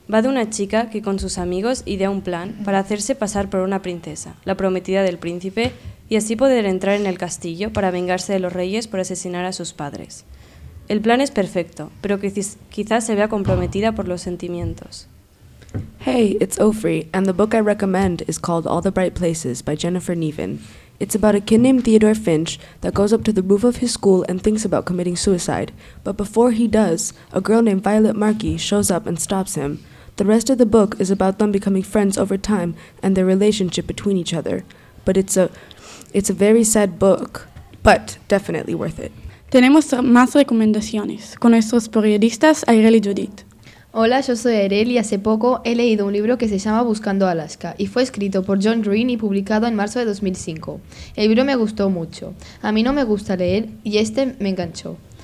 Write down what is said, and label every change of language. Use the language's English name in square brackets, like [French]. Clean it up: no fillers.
[Spanish] Va de una chica que con sus amigos idea un plan para hacerse pasar por una princesa, la prometida del príncipe, y así poder entrar en el castillo para vengarse de los reyes por asesinar a sus padres. El plan es perfecto, pero quizás se vea comprometida por los sentimientos. [English] Hey, it's Ofri, and the book I recommend is called All the Bright Places by Jennifer Niven. It's about a kid named Theodore Finch that goes up to the roof of his school and thinks about committing suicide. But before he does, a girl named Violet Markey shows up and stops him. The rest of the book is about them becoming friends over time and their relationship between each other. But it's a very sad book, but definitely worth it. [Spanish] Tenemos más recomendaciones con nuestros periodistas Ayrel y Judith. Hola, yo soy Ayrel y hace poco he leído un libro que se llama Buscando Alaska y fue escrito por John Green y publicado en marzo de 2005. El libro me gustó mucho. A mí no me gusta leer y este me enganchó.